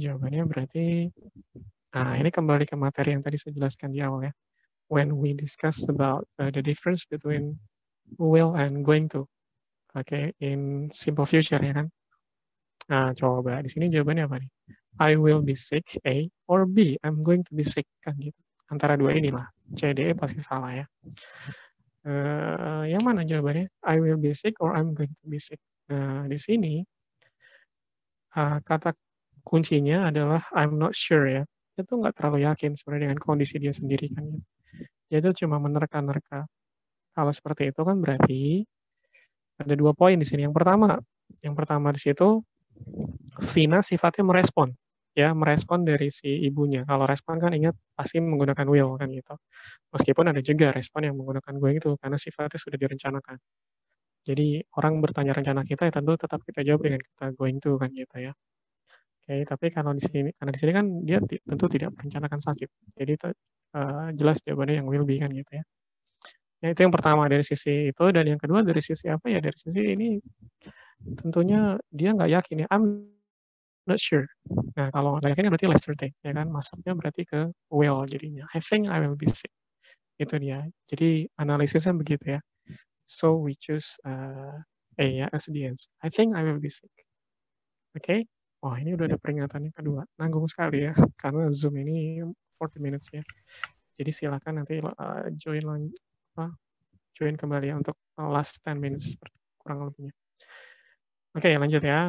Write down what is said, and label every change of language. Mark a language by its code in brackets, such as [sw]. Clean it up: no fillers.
[id] Jawabannya berarti, nah, ini kembali ke materi yang tadi saya jelaskan di awal ya. [en] When we discuss about the difference between will and going to. [id] Oke, okay, in simple future, ya kan? Nah, coba, di sini jawabannya apa nih? [en] I will be sick, A, or B, I'm going to be sick, kan gitu. [id] Antara dua inilah, C, D, E pasti salah ya. Yang mana jawabannya? [en] I will be sick or I'm going to be sick. [id] Nah, di sini kata kuncinya adalah [en] I'm not sure [id] ya. Dia tuh nggak terlalu yakin sebenarnya dengan kondisi dia sendiri kan. Dia tuh cuma menerka-nerka. Kalau seperti itu kan berarti ada dua poin di sini. Yang pertama di situ Vina sifatnya merespon. Ya, merespon dari si ibunya. Kalau respon kan ingat, pasti menggunakan will, kan gitu. Meskipun ada juga respon yang menggunakan going to, karena sifatnya sudah direncanakan. Jadi, orang bertanya rencana kita, ya tentu tetap kita jawab dengan kita going to, kan gitu ya. Oke, okay, tapi karena di sini kan dia tentu tidak merencanakan sakit. Jadi, jelas jawabannya yang will be, kan gitu ya. Ya, itu yang pertama dari sisi itu. Dan yang kedua dari sisi apa ya? Dari sisi ini, tentunya dia nggak yakin ya. [en] Not sure. [id] Nah, kalau nggak yakin berarti [en] less certain, [id] ya kan? Masuknya berarti ke will jadinya. [en] I think I will be sick. [id] Itu dia. Jadi, analisisnya begitu ya. [en] So, we choose A ya, as the answer. I think I will be sick. Oke? Okay? [id] Wah, ini udah ada peringatannya kedua. Nanggung sekali ya, karena Zoom ini [en] 40 minutes [id] ya. Jadi, silakan nanti join kembali ya untuk [en] last 10 minutes, [id] kurang lebihnya. Oke, okay, lanjut ya.